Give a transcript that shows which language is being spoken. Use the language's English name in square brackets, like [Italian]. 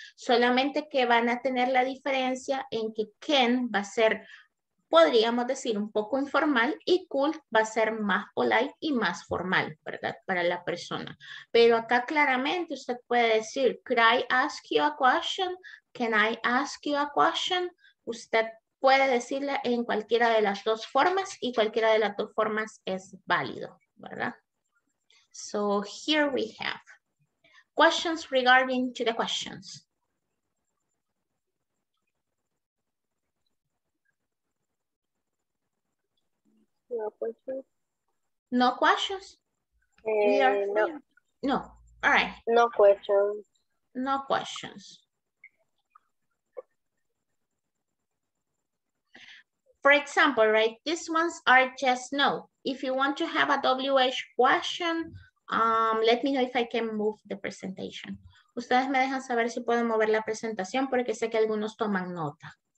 [Spanish] Solamente que van a tener la diferencia en que can va a ser, podríamos decir, un poco informal y could va a ser más polite y más formal, ¿verdad? Para la persona. Pero acá claramente usted puede decir, [English] could I ask you a question? Can I ask you a question? [Spanish] Usted puede decirle en cualquiera de las dos formas y cualquiera de las dos formas es válido, ¿verdad? [English] So here we have questions regarding to the questions. No questions. No questions? No. No. All right. No questions. No questions. For example, right, these ones are just no. If you want to have a WH question, let me know if I can move the presentation. [Spanish] Ustedes me dejan saber si pueden mover la presentación porque sé que algunos toman nota.